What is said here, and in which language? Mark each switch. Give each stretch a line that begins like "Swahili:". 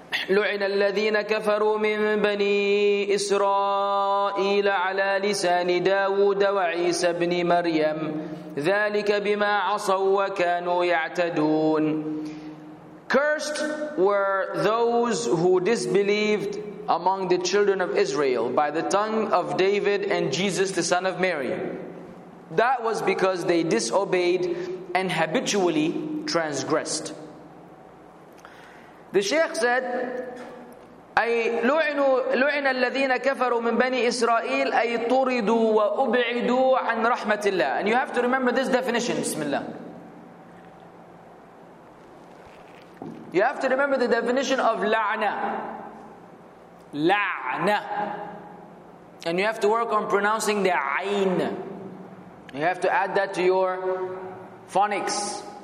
Arabic: لعن الذين كفروا من بني إسرائيل على لسان داود وعيسى بن مريم ذلك بما عصوا وكانوا يعتدون.
English: Cursed were those who disbelieved among the children of Israel by the tongue of David and Jesus the son of Mary. That was because they disobeyed and habitually transgressed. The Shaykh said,
Arabic: أي لعن الذين كفروا من بني إسرائيل أي طردوا وأبعدوا عن رحمة الله.
English: And you have to remember this definition, Bismillah. You have to remember the definition of la'na. La'na. And you have to work on pronouncing the ayn. You have to add that to your phonics.